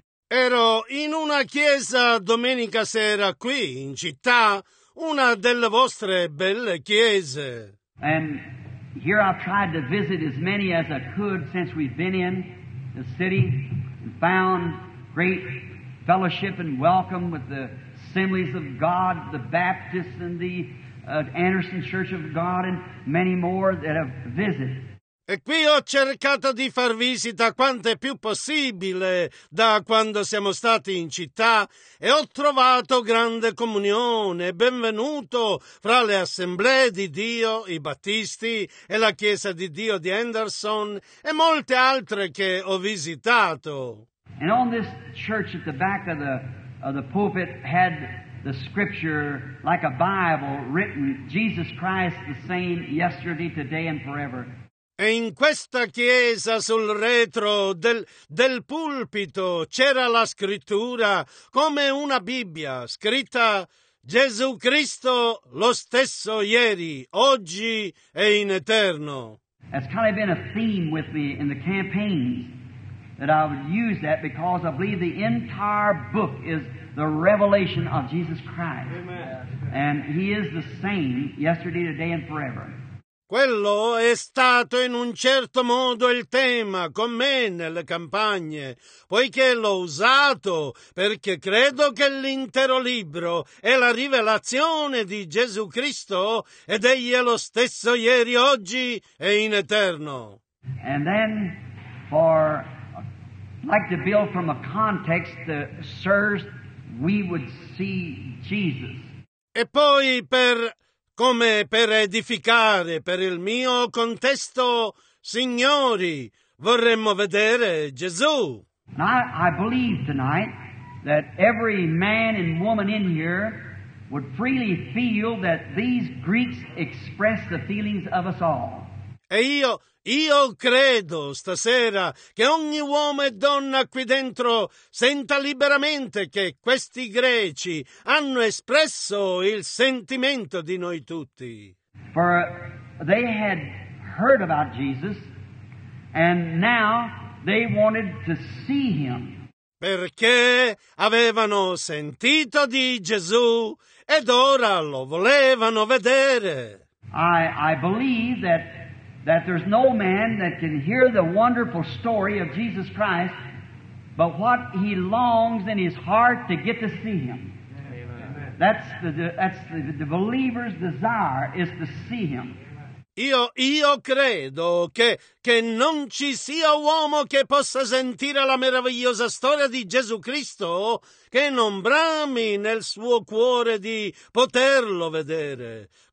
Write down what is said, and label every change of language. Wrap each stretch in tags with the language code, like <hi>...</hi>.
<it>Ero in una chiesa domenica sera qui in città, una delle vostre belle chiese.</it> <en>And here I've tried to visit as many as I could since we've been in the city and found great fellowship and welcome with the Assemblies of God, the Baptists and the Anderson Church of God and many more that have visited.</en> <it>E qui ho cercato di far visita quanto è più possibile da quando siamo stati in città e ho trovato grande comunione, benvenuto fra le assemblee di Dio, i Battisti e la Chiesa di Dio di Anderson e molte altre che ho visitato.</it> <en>And on this church at the back of the pulpit had the scripture like a Bible written, Jesus Christ the same yesterday, today and forever.</en> <it>E in questa chiesa sul retro del pulpito c'era la scrittura come una Bibbia scritta Gesù Cristo lo stesso ieri, oggi e in eterno.</it> <en>It's kind of been a theme with me in the campaigns that I would use that because I believe the entire book is the revelation of Jesus Christ. Amen. And he is the same yesterday, today and forever.</en> <it>Quello è stato in un certo modo il tema con me nelle campagne, poiché l'ho usato perché credo che l'intero libro è la rivelazione di Gesù Cristo ed egli è lo stesso ieri, oggi e in eterno.</it> <en>And then for like to build from a context that serves we would see Jesus.</en> <it>E poi per come per edificare per il mio contesto, signori, vorremmo vedere Gesù.</it> <en>I believe tonight that every man and woman in here would freely feel that these Greeks express the feelings of us all.</en> <it>E io credo stasera che ogni uomo e donna qui dentro senta liberamente che questi greci hanno espresso il sentimento di noi tutti.</it> <en>For they had heard about Jesus and now they wanted to see him.</en> <it>Perché avevano sentito di Gesù ed ora lo volevano vedere.</it> <en>I believe that there's no man that can hear the wonderful story of Jesus Christ, but what he longs in his heart to get to see him. Amen. That's the believer's desire is to see him.</en> <it>Io credo che non ci sia uomo che possa sentire la meravigliosa storia di Gesù Cristo che non brami nel suo cuore di poterlo vedere.</it>